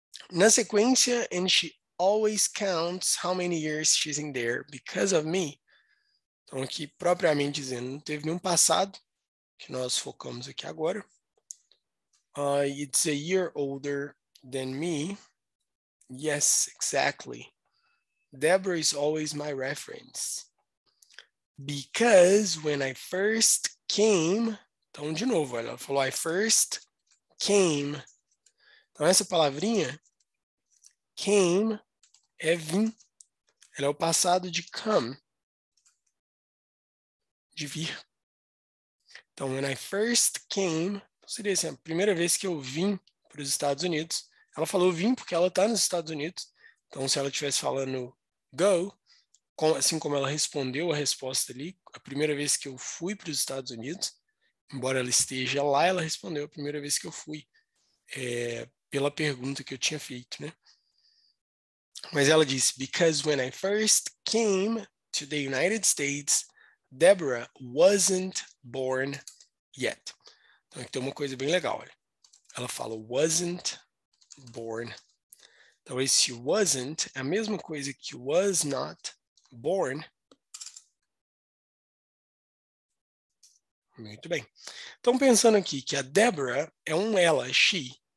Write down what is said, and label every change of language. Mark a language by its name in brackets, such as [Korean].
[Portuguese] Na sequência, [English] and she always counts how many years she's in there because of me. [Portuguese] Então, aqui, propriamente dizendo, não teve nenhum passado, que nós focamos aqui agora. [English] It's a year older than me. Yes, exactly. Deborah is always my reference. Because when I first came... [Portuguese] Então, de novo, ela falou, [English] I first came. [Portuguese] Então, essa palavrinha, came, é vim. Ela é o passado de come, de vir. Então, [English] when I first came... [Portuguese] Seria assim, a primeira vez que eu vim para os Estados Unidos. Ela falou vim porque ela está nos Estados Unidos. Então, se ela estivesse falando go, assim como ela respondeu a resposta ali, a primeira vez que eu fui para os Estados Unidos, embora ela esteja lá, ela respondeu a primeira vez que eu fui, pela pergunta que eu tinha feito, né? Mas ela disse, [English] because when I first came to the United States, Deborah wasn't born yet. [Portuguese] Então, aqui tem uma coisa bem legal, olha. Ela fala wasn't born. Então, esse wasn't é a mesma coisa que was not born. Muito bem. Então, pensando aqui que a Deborah é um ela, she.